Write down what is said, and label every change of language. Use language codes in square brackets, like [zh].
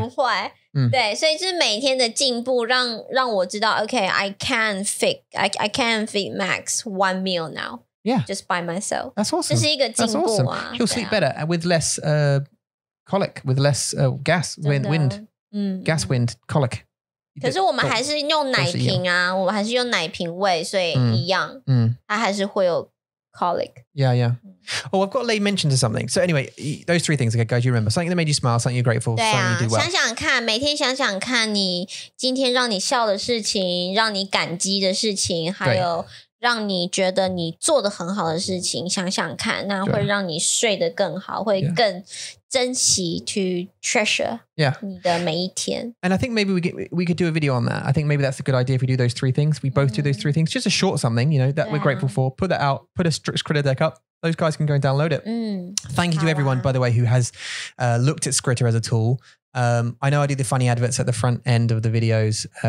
[zh] 不会。对,所以就是每天的进步让我知道, [en] okay, I can feed Max one meal now. Yeah. Just by myself. That's awesome. [zh] 这是一个进步啊, [en] That's awesome. He'll sleep better and with less colic, with less gas, wind. Gas, wind, colic. [zh] 可是我们还是用奶瓶啊, 我们还是用奶瓶喂, 所以一样, 它还是会有 colic. [en] Yeah, yeah. Oh, I've got late mention to something. So anyway, those three things, okay, guys, you remember. Something that made you smile, something you're grateful, something you do well. [zh] 想想看,每天想想看你今天让你笑的事情,让你感激的事情,还有让你觉得你做得很好的事情，想想看，那会让你睡得更好，会更珍惜 [en] to treasure [zh] 你的每一天。 [en] And I think maybe we could do a video on that. I think maybe that's a good idea if we do those three things. We both do those three things. Just a short something, you know, that we're grateful for. Put that out. Put a Skritter deck up. Those guys can go and download it. Thank you to everyone, by the way, who has looked at Skritter as a tool. I know I do the funny adverts at the front end of the videos.